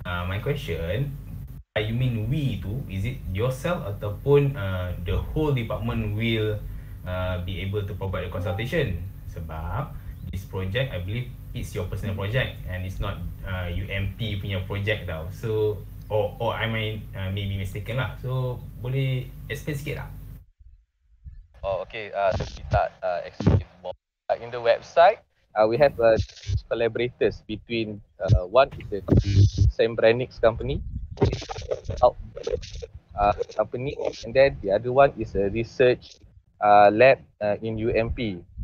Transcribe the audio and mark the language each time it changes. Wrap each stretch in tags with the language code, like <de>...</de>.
<en>My question, you mean we tu, is it yourself ataupun the whole department will be able to provide the consultation? Sebab this project, I believe it's your personal project and it's not UMP punya project tau. So, or I mean, maybe mistaken lah.</en> <ms>So, boleh explain sikit lah.</ms> <en>Oh, okay. So, kita explain more. In the website, we have collaborators between one is the same Brandix company. Company, and then the other one is a research lab in UMP.</en>